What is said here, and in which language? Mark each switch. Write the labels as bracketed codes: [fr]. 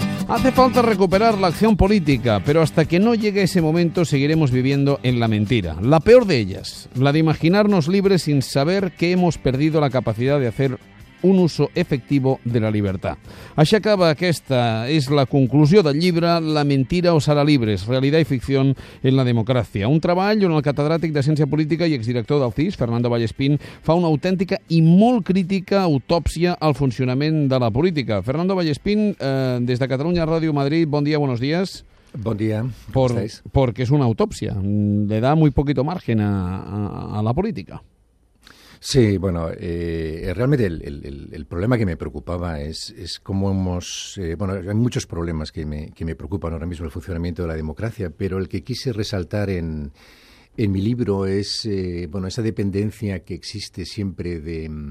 [es] Hace falta recuperar la acción política, pero hasta que no llegue ese momento seguiremos viviendo en la mentira. La peor de ellas, la de imaginarnos libres sin saber que hemos perdido la capacidad de hacer un uso efectivo de la libertad. [ca] Així acaba aquesta, és la conclusió del llibre La mentira us farà libres, realitat i ficció en la democràcia. Un treball on el catedràtic de Ciència Política i exdirector del CIS, Fernando Vallespín, fa una autèntica i molt crítica autòpsia al funcionament de la política. Fernando Vallespín, des de Catalunya Ràdio Madrid, bon dia, [es] buenos días. [ca] Bon dia, com estàs? Perquè és una autòpsia, [es] le da muy poquito margen a la política. Sí, bueno, realmente el problema que me preocupaba es cómo hemos... Bueno, hay muchos problemas que me preocupan ahora mismo el funcionamiento de la democracia, pero el que quise resaltar en mi libro es esa dependencia que existe siempre de